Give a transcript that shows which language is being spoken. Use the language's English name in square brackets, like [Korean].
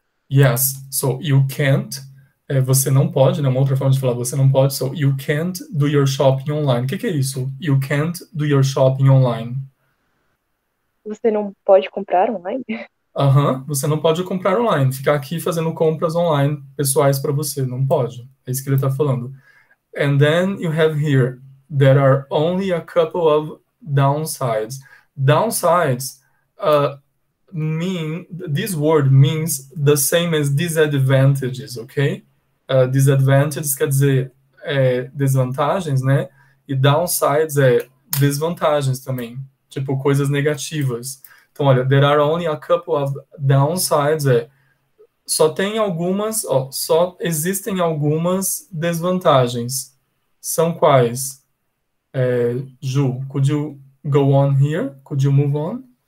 [English] Yes, so you can't. [Portuguese] É, você não pode, né? Uma outra forma de falar, você não pode. [English] So you can't do your shopping online. [Portuguese] O que, que é isso? [English] You can't do your shopping online. [Portuguese] Você não pode comprar online? Aham, uhum, você não pode comprar online. Ficar aqui fazendo compras online pessoais para você. Não pode. É isso que ele está falando. [English] And then you have here, there are only a couple of downsides. Downsides mean, this word means the same as disadvantages, ok? [Portuguese] Disadvantages quer dizer desvantagens, né? E downsides é desvantagens também. Tipo, coisas negativas. Então, olha, [English] there are only a couple of downsides. [Portuguese] É, só tem algumas, ó, só existem algumas desvantagens. São quais? É, [English] Ju, could you go on here? Could you move on?